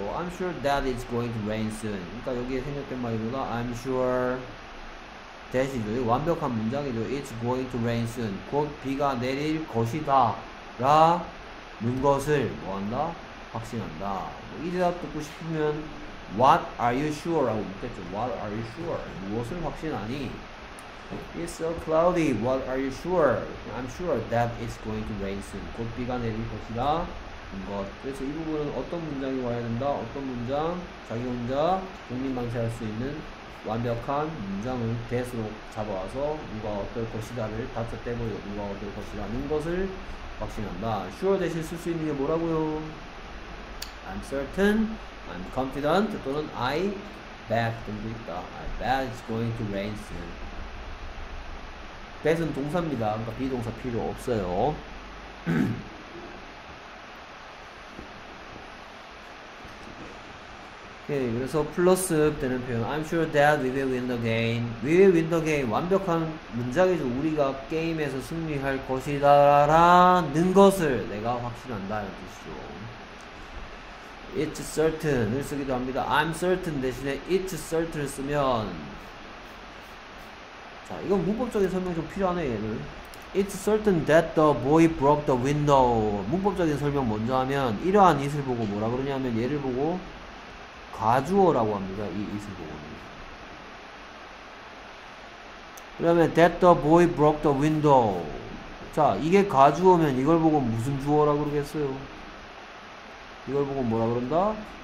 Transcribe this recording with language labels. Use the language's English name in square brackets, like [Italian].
[English] I'm sure that it's going to rain soon. [Korean] 그러니까 여기에 생략된 말이구나. [English] I'm sure that이죠. [Korean] 완벽한 문장이죠. [English] It's going to rain soon. [Korean] 곧 비가 내릴 것이다 라는 것을 뭐한다? 확신한다. 뭐 이 대답 듣고 싶으면 [English] What are you sure? [Korean] 라고 묻겠죠. What are you sure? 무엇을 확신하니? [English] It's so cloudy. What are you sure? I'm sure that it's going to rain soon. [Korean] 곧 비가 내릴 것이다. 것. 그래서 이 부분은 어떤 문장이 와야 된다? 어떤 문장? 자기 혼자 독립만세할 수 있는 완벽한 문장을 대수로 잡아와서 누가 어떨 것이다를 다섯 대보여 누가 어떨 것이라는 것을 확신한다. Sure 대신 쓸 수 있는 게 뭐라고요? [English] I'm certain. I'm confident. [Korean] 또는 [English] I bet [Korean] 등도 있다. [English] I bet it's going to rain soon. bet은 [Korean] 동사입니다. 그러니까 비동사 필요 없어요. 오케이, 그래서 플러스 되는 표현. [English] I'm sure that we will win the game. We will win the game. [Korean] 완벽한 문장이죠. 우리가 게임에서 승리할 것이다 라는 것을 내가 확신한다 라는 뜻이죠. [English] It's certain [Korean] 을 쓰기도 합니다. [English] I'm certain [Korean] 대신에 [English] it's certain [Korean] 을 쓰면, 자, 이건 문법적인 설명이 좀 필요하네, 얘는. [English] It's certain that the boy broke the window. [Korean] 문법적인 설명 먼저 하면, 이러한 it을 보고 뭐라 그러냐면, 얘를 보고, 과주어라고 합니다. 이 it을 보고. 그 다음에, [English] that the boy broke the window. [Korean] 자, 이게 과주어면, 이걸 보고 무슨 주어라고 그러겠어요? 이걸 보고 뭐라 그런다?